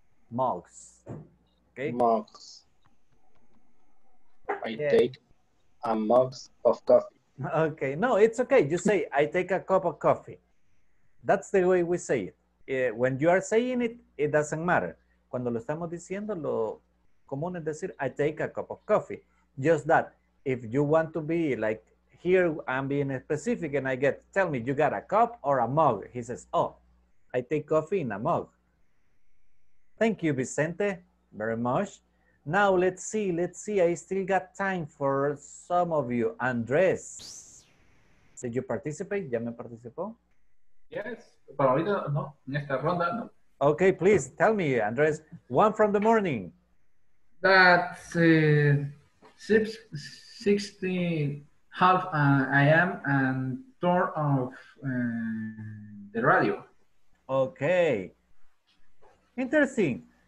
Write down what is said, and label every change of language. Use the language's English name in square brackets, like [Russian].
[English] Mugs. Okay? Mugs. I take a mug of coffee. Okay. No, it's okay. You say, I take a cup of coffee. That's the way we say it. When you are saying it, it doesn't matter. [Spanish] Cuando lo estamos diciendo, lo común es decir, [English] I take a cup of coffee. Just that. If you want to be like, here I'm being specific and I get, tell me, you got a cup or a mug? He says, oh, I take coffee in a mug. Thank you, Vicente, very much. Now let's see. I still got time for some of you. Andres, did you participate? [Spanish] ¿Ya me participó? Yes, pero ahorita no, en esta ronda no. [English] Okay, please tell me, Andres, one from the morning. That's 6:30 a.m. and turn off the radio. Okay, interesting.